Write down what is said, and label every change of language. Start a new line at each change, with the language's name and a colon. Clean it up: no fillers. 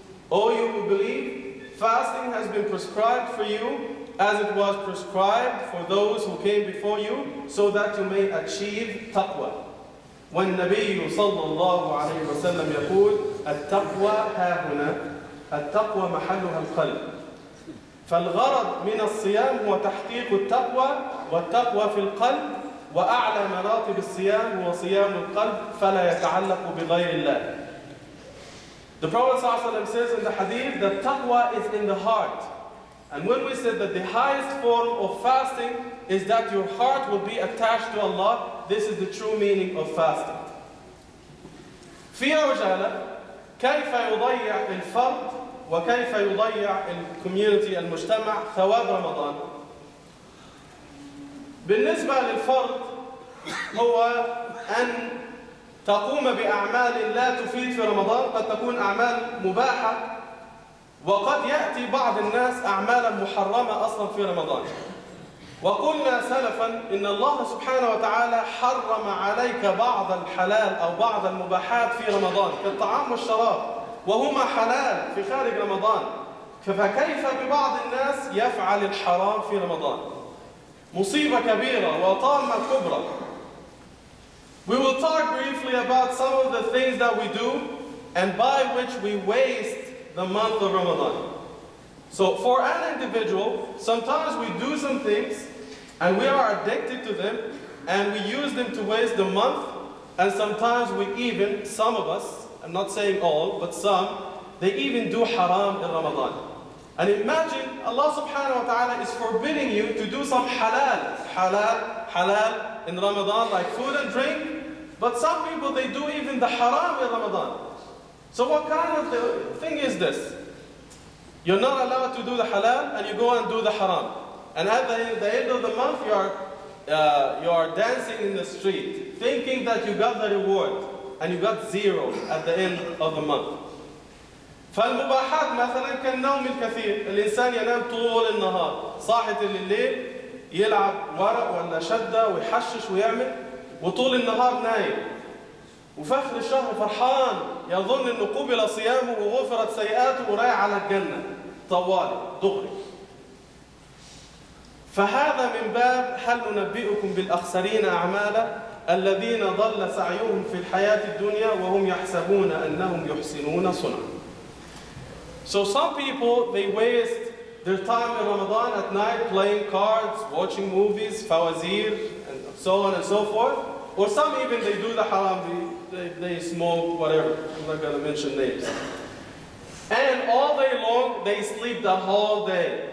English: Oh, you who believe, fasting has been prescribed for you as it was prescribed for those who came before you, so that you may achieve taqwa.
Arabic: والنبي صلى الله عليه وسلم يقول: التقوى ها هنا، التقوى محلها القلب. فالغرض من الصيام هو تحقيق التقوى، والتقوى في القلب، وأعلى مراتب الصيام هو صيام القلب، فلا يتعلق بغير الله.
English: The Prophet
Arabic: صلى الله عليه وسلم
English: says in the hadith that taqwa is in the heart. And when we said that the highest form of fasting is that your heart will be attached to Allah, this is the true meaning of fasting.
Arabic: في عجالة، كيف يضيع الفرد وكيف يضيع الكوميونتي المجتمع ثواب رمضان؟ بالنسبة للفرد هو أن تقوم بأعمال لا تفيد في رمضان، قد تكون أعمال مباحة، وقد يأتي بعض الناس أعمالا محرمة أصلا في رمضان. وقلنا سلفا إن الله سبحانه وتعالى حرم عليك بعض الحلال أو بعض المباحات في رمضان كالطعام والشراب، وهما حلال في خارج رمضان، فكيف ببعض الناس يفعل الحرام في رمضان؟ مصيبة كبيرة وطامة كبرى.
English: We will talk briefly about some of the things that we do and by which we waste the month of Ramadan. So for an individual, sometimes we do some things and we are addicted to them and we use them to waste the month, and sometimes we even, some of us, I'm not saying all, but some, they even do haram in Ramadan. And imagine Allah subhanahu wa ta'ala is forbidding you to do some halal, halal, halal in Ramadan, like food and drink, but some people they do even the haram in Ramadan. So what kind of thing is this? You're not allowed to do the halal and you go and do the haram. And at the end of the month you are dancing in the street thinking that you got the reward and you got zero at the end of the month.
Arabic: فالمباحات مثلا كالنوم الكثير، الإنسان ينام طول النهار، صاحي طول الليل يلعب ورق ولا شدة ويحشش ويعمل، وطول النهار نايم. وفي آخر الشهر فرحان، يظن أنه قبل صيامه وغفرت سيئاته ورايح على الجنة. طوالي دغري. فهذا من باب هل ننبئكم بالأخسرين أعمالا الذين ضل سعيهم في الحياة الدنيا وهم يحسبون أنهم يحسنون صنعا.
English: So some people, they waste their time in Ramadan at night playing cards, watching movies, fawazir, and so on and so forth. Or some even, they do the haram, they smoke, whatever. I'm not going to mention names. And all day long, they sleep the whole day.